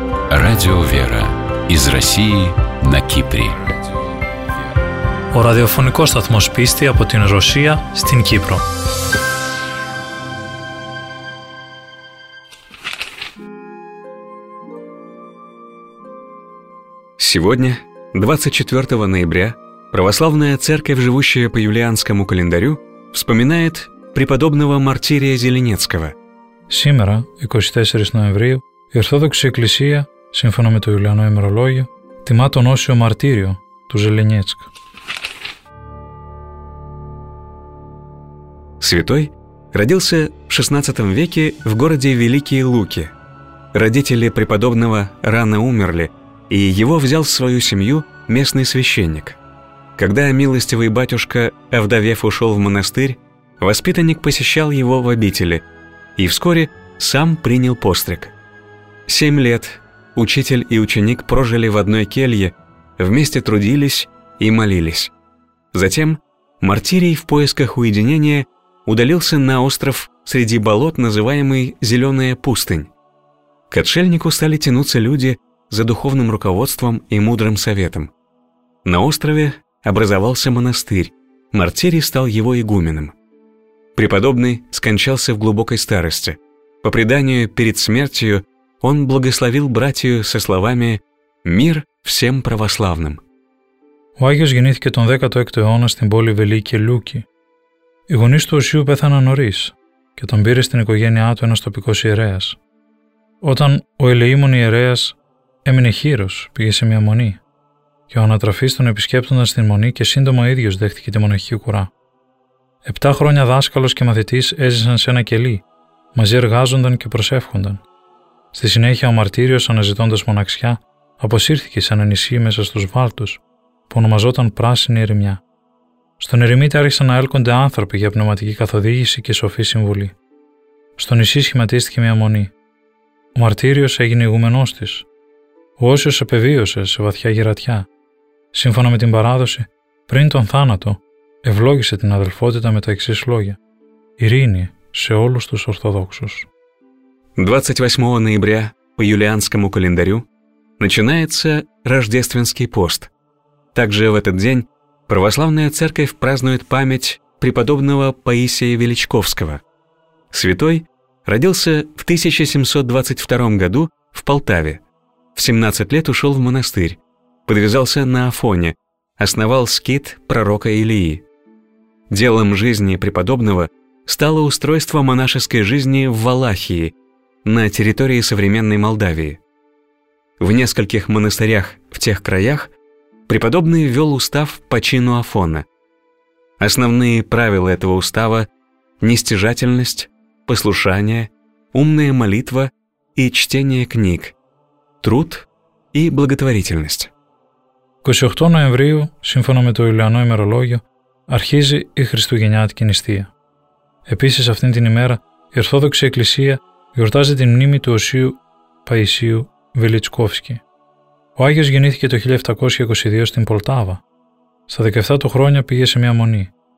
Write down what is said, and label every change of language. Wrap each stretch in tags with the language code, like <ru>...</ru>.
<ru>Радио «Вера» из России на Кипре.</ru> <el>Ο ραδιοφωνικός σταθμός πίστη από την Ρωσία στην Κύπρο.</el> <ru>Сегодня, 24 ноября, Православная Церковь, живущая по юлианскому календарю, вспоминает преподобного мартирия Зеленецкого. Сегодня, 24 ноября,</ru> <el>η Ορθόδοξη Εκκλησία, σύμφωνα με το Ιουλιανό ημερολόγιο, τιμά τον Όσιο Μαρτύριο του Ζελενιέτσκ.</el> <ru>Святой родился в 16 веке в городе Великие Луки. Родители преподобного рано умерли, и его взял в свою семью местный священник. Когда милостивый батюшка, овдовев, ушел в монастырь, воспитанник посещал его в обители и вскоре сам принял постриг. 7 лет учитель и ученик прожили в одной келье, вместе трудились и молились. Затем мартирий в поисках уединения удалился на остров среди болот, называемый Зеленая пустынь. К отшельнику стали тянуться люди за духовным руководством и мудрым советом. На острове образовался монастырь, мартирий стал его игуменом. Преподобный скончался в глубокой старости. По преданию, перед смертью он благословил братью со словами «Мир всем православным».</ru> <el>Ο Άγιος γεννήθηκε τον 16ο αιώνα στην πόλη Великие Луки. Οι γονείς του Οσίου πέθαναν νωρίς και τον πήρε στην οικογένειά του ένας τοπικός ιερέας. Όταν ο ελεήμων ιερέας έμεινε χείρος, πήγε σε μια μονή και ο ανατραφής τον επισκέπτονταν στην μονή και σύντομα ο ίδιος δέχτηκε τη μοναχική κουρά. 7 χρόνια δάσκαλος και μαθητής έζησαν σε ένα κελί, μαζί εργάζονταν και προσεύχονταν. Στη συνέχεια ο μαρτύριος, αναζητώντας μοναξιά, αποσύρθηκε σε ένα νησί μέσα στους βάλτους που ονομαζόταν Πράσινη Ερημιά. Στον ερημίτη άρχισαν να έλκονται άνθρωποι για πνευματική καθοδήγηση και σοφή συμβουλή. Στο νησί σχηματίστηκε μια μονή. Ο μαρτύριος έγινε ηγουμενός της. Ο Όσιος επεβίωσε σε βαθιά γερατιά. Σύμφωνα με την παράδοση, πριν τον θάνατο, ευλόγησε την αδελφότητα με τα εξής λόγια: «Ειρήνη σε όλους τους Ορθοδόξους».</el> <ru>28 ноября по юлианскому календарю начинается Рождественский пост. Также в этот день Православная Церковь празднует память преподобного Паисия Величковского. Святой родился в 1722 году в Полтаве. В 17 лет ушел в монастырь, подвязался на Афоне, основал скит пророка Илии. Делом жизни преподобного стало устройство монашеской жизни в Валахии, на территории современной Молдавии. В нескольких монастырях в тех краях преподобный ввел устав по чину Афона. Основные правила этого устава – нестяжательность, послушание, умная молитва и чтение книг, труд и благотворительность. 28 ноября,</ru> <el>σύμφωνα με το Ιουλιανό ημερολόγιο, αρχίζει η Χριστουγεννιάτικη νηστεία. Επίσης, αυτήν την ημέρα, η Ορθόδοξη Εκκλησία γιορτάζει την μνήμη του Οσίου Παϊσίου Βελιτσκόφσκη. Ο Άγιος γεννήθηκε το 1722 στην Πολτάβα. Στα 17 του χρόνια πήγε σε μια μονή.</el>